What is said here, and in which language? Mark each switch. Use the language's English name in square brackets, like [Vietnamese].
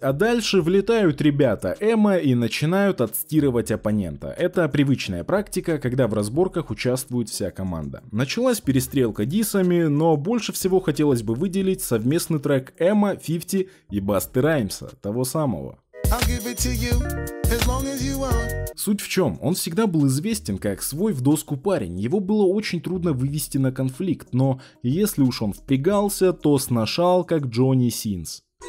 [Russian] А дальше влетают ребята Эмма и начинают отстирывать оппонента. Это привычная практика, когда в разборках участвует вся команда. Началась перестрелка диссами, но больше всего хотелось бы выделить совместный трек Эмма, 50 и Басты Раймса, того самого. [English] I'll give it to you, as long as you want. [Russian] Суть в чем, он всегда был известен как свой в доску парень, его было очень трудно вывести на конфликт, но если уж он впрягался, то снашал как Джонни Синс.